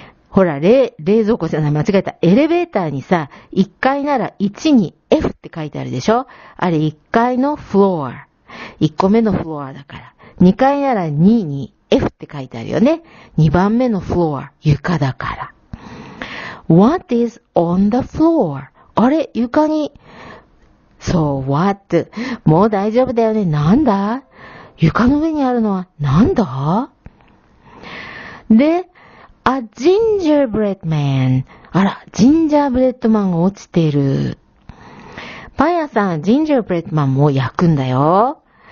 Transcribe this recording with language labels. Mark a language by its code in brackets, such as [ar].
[ja] ほら、冷蔵庫じゃない、間違えた。エレベーターにさ、1階なら1に F って書いてあるでしょ？あれ1階のフロア。1個目のフロアだから。 2階なら2に F って書いてあるよね。2番目のフロア、床だから。 [en] What is on the floor? [ja] あれ、床に。そう、what? もう大丈夫だよね。なんだ？床の上にあるのはなんだ？で、あ、ジンジャーブレッドマン。あら、ジンジャーブレッドマンが落ちてる。パン屋さん、ジンジャーブレッドマンも焼くんだよ。